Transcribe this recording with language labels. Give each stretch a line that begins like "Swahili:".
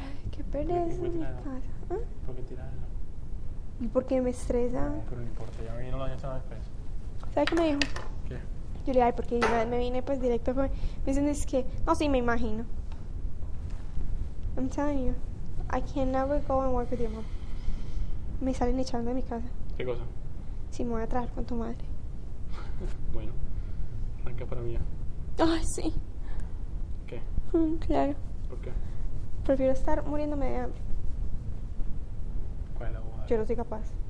Spanish: Qué pereza en mi tirarla? casa. ¿Eh? ¿Por qué tirarla? ¿Y por qué me estresa? No, pero no importa, ya vino la gente después. ¿Sabes qué me dijo? ¿Qué? Yo le dije, ay, porque yo me vine pues directo. Me dicen, es que. No, sí, me imagino.
English: I'm telling you. I cannot go and work with your mom.
Spanish: Me salen echando de mi casa. ¿Qué cosa? Si me voy a traer con tu madre. Bueno, arranca para mí. Ay, sí. ¿Qué? Claro. ¿Por qué? Prefiero estar muriéndome de hambre. ¿Cuál es la boda? Yo no soy capaz.